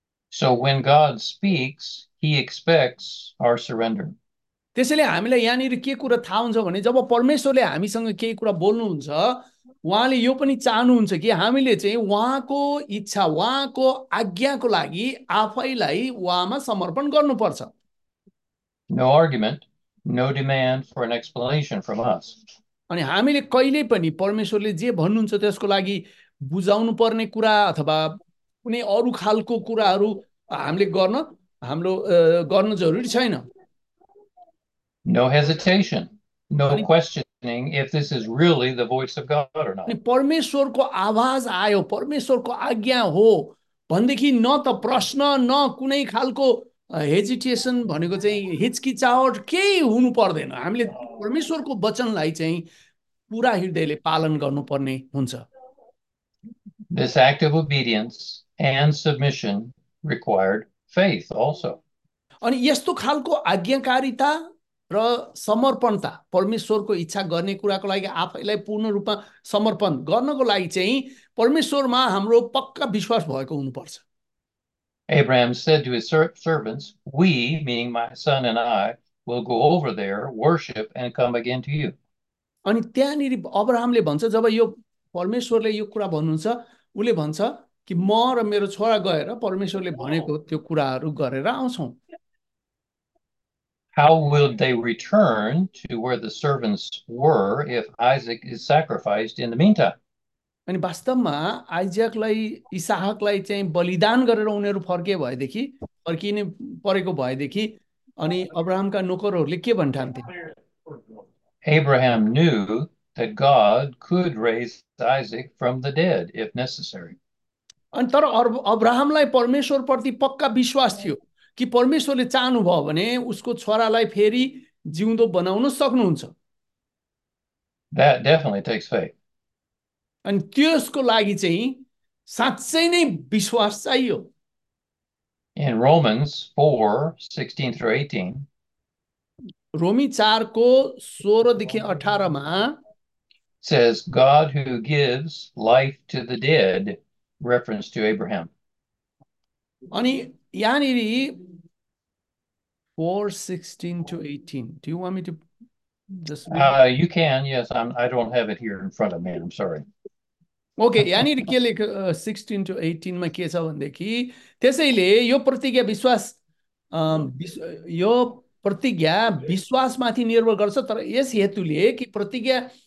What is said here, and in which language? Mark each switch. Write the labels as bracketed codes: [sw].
[en] So when God speaks, he expects our surrender. [ne] त्यसैले हामीलाई यहाँनिर के कुरा थाहा हुन्छ भने, जब परमेश्वरले हामीसँग केही कुरा बोल्नुहुन्छ, उहाँले यो पनि चाहनुहुन्छ कि हामीले चाहिँ उहाँको इच्छा, उहाँको आज्ञाको लागि आफैलाई उहाँमा समर्पण गर्नुपर्छ। [en] No argument, no demand for an explanation from us. [ne] अनि हामीले कहिल्यै पनि परमेश्वरले जे भन्नुहुन्छ त्यसको लागि बुझाउनु पर्ने कुरा अथवा कुनै अरू खालको कुराहरू हामीले गर्न, हाम्रो गर्न जरुरी छैन। [en] No hesitation, no questioning if this is really the voice of God or not. [ne] परमेश्वरको आवाज आयो, परमेश्वरको आज्ञा हो भनेदेखि न त प्रश्न न कुनै खालको हेजिटेसन भनेको चाहिँ हिचकिचावट केही हुनु पर्दैन। हामीले परमेश्वरको वचनलाई चाहिँ पुरा हृदयले पालन गर्नुपर्ने हुन्छ। [en] This act of obedience and submission required faith also. [ne] अनि यस्तो खालको आज्ञाकारिता र समर्पणता, परमेश्वरको इच्छा गर्ने कुराको लागि आफैलाई पूर्ण रूपमा समर्पण गर्नको लागि चाहिँ परमेश्वरमा हाम्रो पक्का विश्वास भएको हुनुपर्छ। [en] Abraham said to his servants, "We, meaning my son and I, will go over there, worship, and come again to you." [ne] अनि त्यहाँनिर अब्राहमले भन्छ, जब यो परमेश्वरले यो कुरा भन्नुहुन्छ, उसले भन्छ कि म र मेरो छोरा गएर परमेश्वरले भनेको त्यो कुराहरू गरेर आउँछौँ। [en] How will they return to where the servants were if Isaac is sacrificed in the meantime? [ne] अनि वास्तवमा आइजकलाई, इसाहकलाई चाहिँ बलिदान गरेर उनीहरू फर्के भएदेखि, फर्किने परेको भएदेखि, अनि अब्राहमका नोकरहरूले के भन्ठान्थे? [en] Abraham knew that God could raise Isaac from the dead if necessary. [ne] अनि तर अब्राहमलाई परमेश्वरप्रति पक्का विश्वास थियो कि परमेश्वरले चाहनुभयो भने उसको छोरालाई फेरि जिउँदो बनाउन सक्नुहुन्छ। [en] That definitely takes faith. [ne] अनि त्यसको लागि चाहिँ साँच्चै नै विश्वास चाहियो। [en] In Romans 4, 16 through 18, [ne] रोमी 4 16-देखि 18 [en] says, God who gives life to the dead, reference to Abraham. [ne] अनि यहाँनिर [en] 4:16-18, do you want me to just read? You can, yes. I don't have it here in front of me, I'm sorry. [ne] Okay, यहाँनिर के लेख 16-18 के छ भनेदेखि, त्यसैले यो प्रतिज्ञा विश्वास, यो प्रतिज्ञा विश्वासमाथि निर्भर गर्छ, तर यस हेतुले कि प्रतिज्ञा